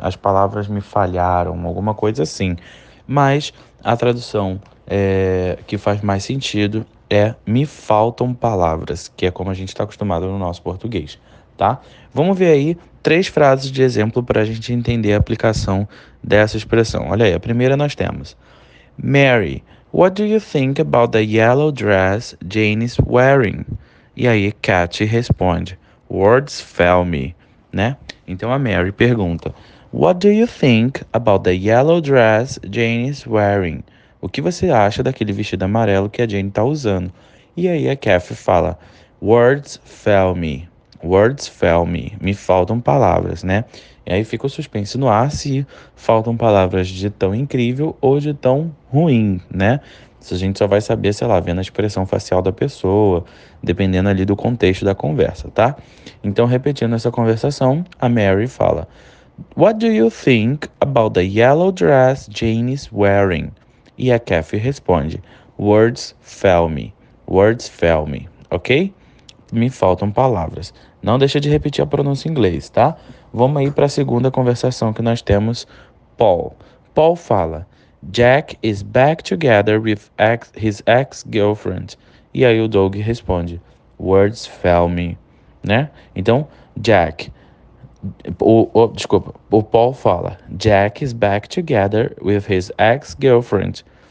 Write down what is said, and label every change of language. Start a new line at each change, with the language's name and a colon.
Portuguese: As palavras me falharam, alguma coisa assim. Mas a tradução que faz mais sentido é me faltam palavras, que é como a gente está acostumado no nosso português, tá? Vamos ver aí três frases de exemplo para a gente entender a aplicação dessa expressão. Olha aí, a primeira nós temos:
English: Mary, what do you think about the yellow dress Jane is wearing?
Portuguese: E aí, Cat responde:
English: Words fail me,
Portuguese: né? Então a Mary pergunta:
English: What do you think about the yellow dress Jane is wearing?
Portuguese: O que você acha daquele vestido amarelo que a Jane está usando? E aí a Kathy fala:
English: Words fail me. Words fail me.
Portuguese: Me faltam palavras, né? E aí fica o suspense no ar se faltam palavras de tão incrível ou de tão ruim, né? Isso a gente só vai saber, sei lá, vendo a expressão facial da pessoa, dependendo ali do contexto da conversa, tá? Então, repetindo essa conversação, a Mary fala:
English: What do you think about the yellow dress Jane is wearing?
Portuguese: E a Kathy responde:
English: Words fail me. Words fail me. Ok?
Portuguese: Me faltam palavras. Não deixa de repetir a pronúncia em inglês, tá? Vamos aí para a segunda conversação que nós temos. Paul. Paul fala:
English: Jack is back together with his ex-girlfriend.
Portuguese: E aí o Doug responde:
English: Words fail me.
Portuguese: Né? Então, Jack. Desculpa. O Paul fala:
English: Jack is back together with his ex-girlfriend.